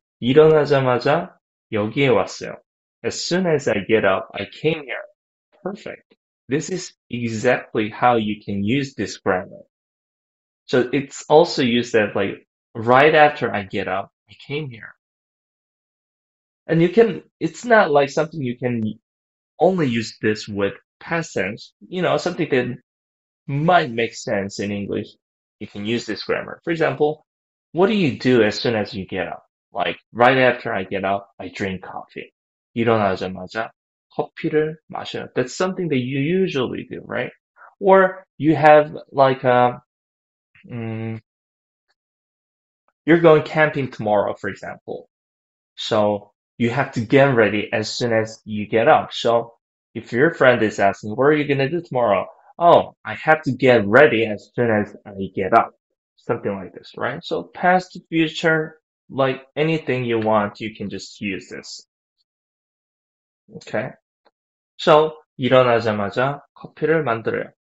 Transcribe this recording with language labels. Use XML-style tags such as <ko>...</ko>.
<ko>일어나자마자 여기에 왔어요.</ko> <en>As soon as I get up, I came here. Perfect. This is exactly how you can use this grammar. So it's also used as like right after I get up, I came here. And you can, it's not like something you can only use this with past tense, you know, something that might make sense in English. You can use this grammar. For example, what do you do as soon as you get up? Like, right after I get up, I drink coffee.</en> <ko>일어나자마자 커피를 마셔.</ko> <en>That's something that you usually do, right? Or you have like a, you're going camping tomorrow, for example. So, you have to get ready as soon as you get up. So if your friend is asking, what are you going to do tomorrow? Oh, I have to get ready as soon as I get up. Something like this, right? So past, future, like anything you want, you can just use this. Okay.</en> <ko>So 일어나자마자 커피를 만들어요.</ko>